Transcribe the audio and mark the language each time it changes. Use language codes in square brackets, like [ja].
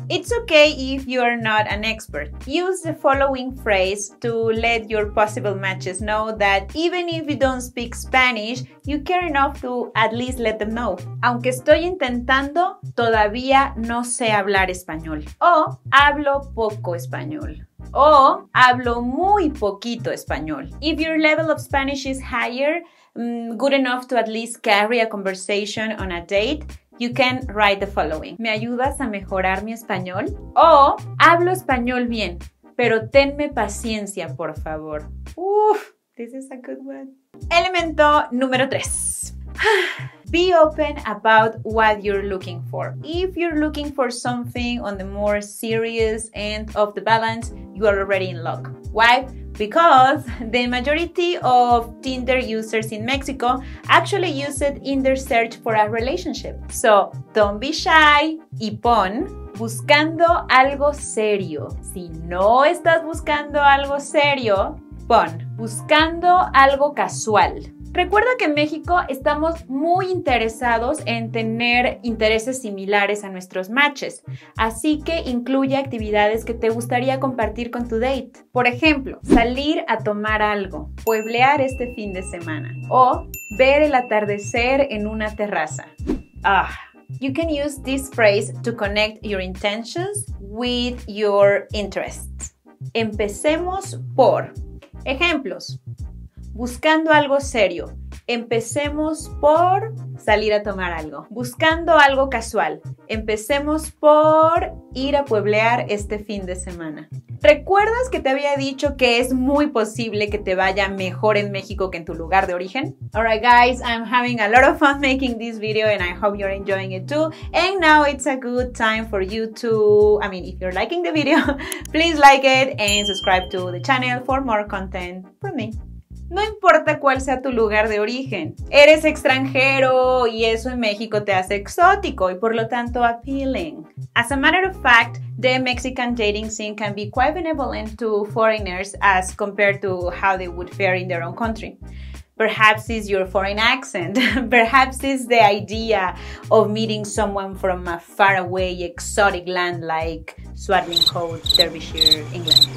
[en] It's okay if you are not an expert. Use the following phrase to let your possible matches know that even if you don't speak Spanish, you care enough to at least let them know. [es] Aunque estoy intentando, todavía no sé hablar español. O hablo poco español. O hablo muy poquito español. [en] If your level of Spanish is higher, good enough to at least carry a conversation on a date, you can write the following. [es] ¿Me ayudas a mejorar mi español? O hablo español bien, pero tenme paciencia, por favor. [en] Uf, this is a good one. [es] Elemento número 3. [en] Be open about what you're looking for. If you're looking for something on the more serious end of the balance, you are already in luck. Why? Because the majority of Tinder users in Mexico actually use it in their search for a relationship. So don't be shy [es] y pon buscando algo serio. Si no estás buscando algo serio, pon buscando algo casual. Recuerda que en México estamos muy interesados en tener intereses similares a nuestros matches, así que incluye actividades que te gustaría compartir con tu date. Por ejemplo, salir a tomar algo, pueblear este fin de semana o ver el atardecer en una terraza. Ah. [en] You can use this phrase to connect your intentions with your interests. [es] Empecemos por ejemplos. Buscando algo serio, empecemos por salir a tomar algo. Buscando algo casual, empecemos por ir a pueblear este fin de semana. ¿Recuerdas que te había dicho que es muy posible que te vaya mejor en México que en tu lugar de origen? [en] All right, guys, I'm having a lot of fun making this video and I hope you're enjoying it too. And now it's a good time for you to, if you're liking the video, please like it and subscribe to the channel for more content from me. [es] No importa cuál sea tu lugar de origen, eres extranjero y eso en México te hace exótico y por lo tanto appealing. [en] As a matter of fact, the Mexican dating scene can be quite benevolent to foreigners as compared to how they would fare in their own country. Perhaps it's your foreign accent. Perhaps it's the idea of meeting someone from a faraway exotic land like Swadling Cove, Derbyshire, England.